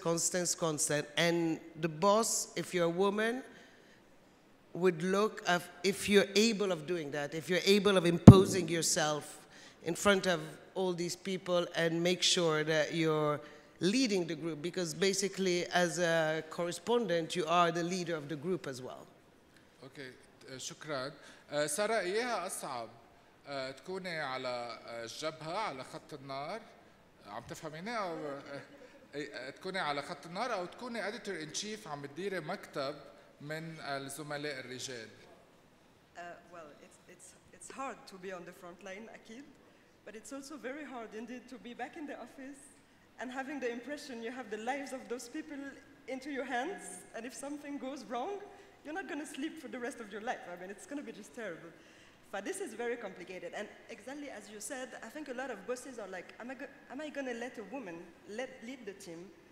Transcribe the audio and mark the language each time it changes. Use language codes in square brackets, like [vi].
[en] And the boss, if you're a woman, would look at if you're able of doing that, if you're able of imposing yourself in front of all these people and make sure that you're leading the group, because basically as a correspondent, you are the leader of the group as well. Okay, shukran. [ar] Sara, إيها أصعب تكوني على الجبهة على خط النار، عم تفهميني، أو تكوني على خط النار أو تكوني [en] editor in chief [ar] عم تديري مكتب من الزملاء الرجال؟ [en] Well, it's hard to be on the front line, أكيد، but it's also very hard indeed to be back in the office and having the impression you have the lives of those people into your hands, and if something goes wrong, you're not going to sleep for the rest of your life. I mean, it's going to be just terrible. But this is very complicated, and exactly as you said, I think a lot of bosses are like, am I going to let a woman lead the team?